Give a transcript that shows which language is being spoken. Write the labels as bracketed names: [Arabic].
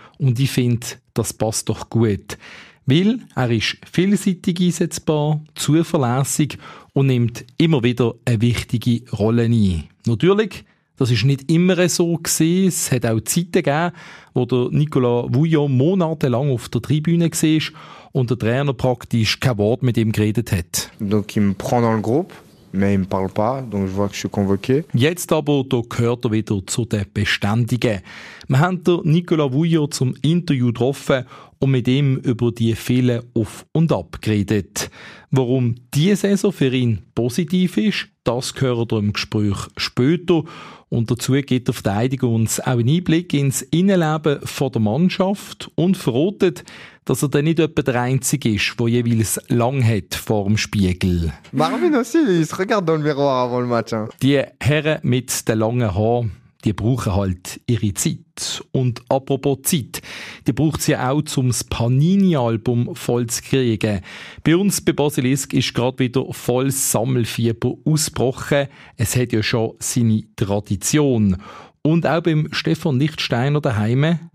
[German] Und ich finde, das passt doch gut. Weil er ist vielseitig einsetzbar, zuverlässig und nimmt immer wieder eine wichtige Rolle ein. Natürlich, das ist nicht immer so gewesen. Es hat auch Zeiten gegeben, wo der Nicolas Bouillon monatelang auf der Tribüne war und der Trainer praktisch kein Wort mit ihm geredet hat. [French] Donc, il me prend dans le groupe. Mais il me parle pas, donc je vois que je suis convoqué. [German] Jetzt aber, da gehört er wieder zu den Beständigen. Wir haben den Nicolas Bouillon zum Interview getroffen und mit ihm über die vielen Auf- und Ab geredet. Warum diese Saison für ihn positiv ist, das gehört er im Gespräch später. Und dazu gibt der Verteidiger uns auch einen Einblick ins Innenleben von der Mannschaft und verratet, dass er dann nicht etwa der Einzige ist, der jeweils lang hat vor dem Spiegel. [French] Marvin aussi, il se regarde dans le miroir avant le match. [German] Die Herren mit den langen Haaren, die brauchen halt ihre Zeit. Und apropos Zeit, die braucht sie auch, um das Panini-Album voll zu kriegen. Bei uns bei Basilisk ist gerade wieder voll Sammelfieber ausgebrochen. Es hat ja schon seine Tradition. Und auch beim Stefan Lichtsteiner daheim.